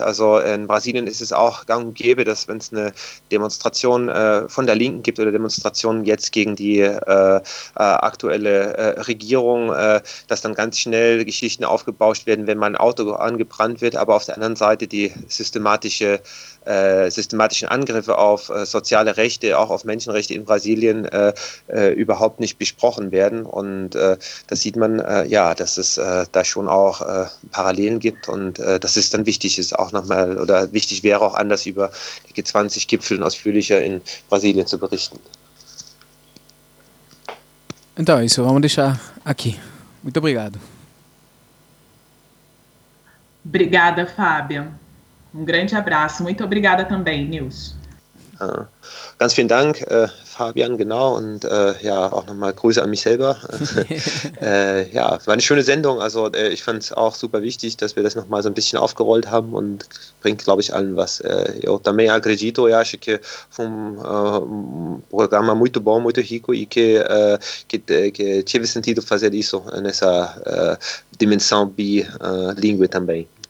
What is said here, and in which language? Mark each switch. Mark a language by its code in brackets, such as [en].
[de] Also in Brasilien ist es auch gang und gäbe, dass wenn es eine Demonstration von der Linken gibt oder Demonstrationen jetzt gegen die aktuelle Regierung, dass dann ganz schnell Geschichten aufgebauscht werden, wenn mein Auto angebrannt wird, aber auf der anderen Seite die systematischen Angriffe auf soziale Rechte, auch auf Menschenrechte in Brasilien überhaupt nicht besprochen werden. Und das sieht man, dass es da schon auch Parallelen gibt und dass es dann wichtig ist, auch nochmal, oder wichtig wäre auch anders über die G20-Gipfel ausführlicher in Brasilien zu berichten. [pt] Então, isso vamos deixar aqui. Muito obrigado. Obrigada, Fabian. Um grande abraço. Muito obrigada também, Nils. [de] Ganz vielen Dank, Fabian, genau. Und auch nochmal Grüße an mich selber. war eine schöne Sendung. Also ich fand es auch super wichtig, dass wir das nochmal so ein bisschen aufgerollt haben und bringt, glaube ich, allen was. [pt] Eu também acredito, eu acho que foi programa muito bom, muito rico e que tive sentido fazer isso nessa dimensão bilingue também.